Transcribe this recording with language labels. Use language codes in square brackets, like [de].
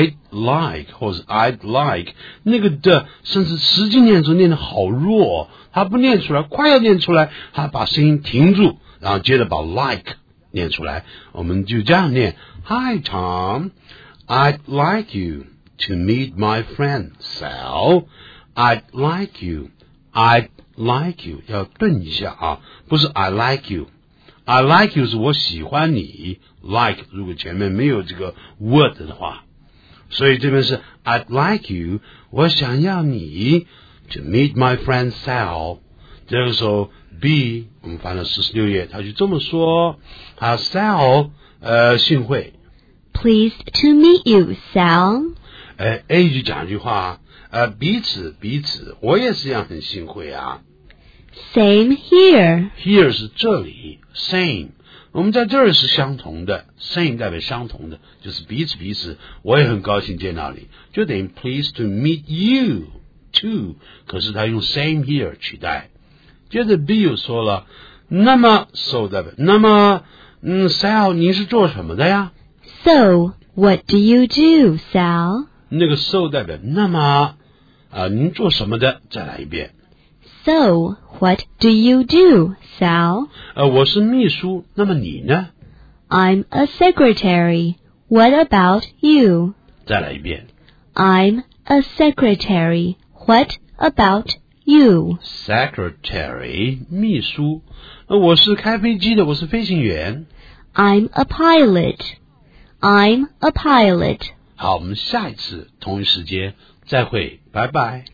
[zh] like 或是 [en] I'd like， [zh] 那个的甚至实际念的时候念得好弱，他不念出来，快要念出来他把声音停住，然后接着把 like 念出来，我们就这样念。 [en] Hi Tom， I'd like you to meet my friend SalI'd like you, I'd like you, [zh] 要顿一下啊，不是 [en] I like you, I like you [zh] 是我喜欢你， [en] like [zh] 如果前面没有这个 [en] word 的话， [zh] 所以这边是 [en] I'd like you, [zh] 我想要你 [en] to meet my friend Sal， [zh] 这个时候 B 我们翻了46页，他就这么说，他 Sal 幸会 [en] Pleased to meet you, Sal、 [zh] A 就讲一句话，彼此彼此，我也是一样很幸会啊。 [en] Same here. [zh] Here 是这里 ，same。我们在这儿是相同的 ，same 代表相同的，就是彼此彼此。我也很高兴见到你，就等于 [en] pleased to meet you too。 [zh] 可是他用 [en] same here [zh] 取代。接着 B 又说了，那么 so 代表那么，Sal 你是做什么的呀 [en] ？So what do you do, Sal? [zh] 那个 so 代表那么您做什么的，再来一遍。 [en] So, what do you do, Sal? [zh] 我是秘书，那么你呢？ [en] I'm a secretary, what about you? [zh] 再来一遍。 [en] I'm a secretary, what about you? [zh] Secretary, 秘书。我是开飞机的，我是飞行员。 [en] I'm a pilot, I'm a pilot. [zh] 好，我们下一次同一时间再会，拜拜。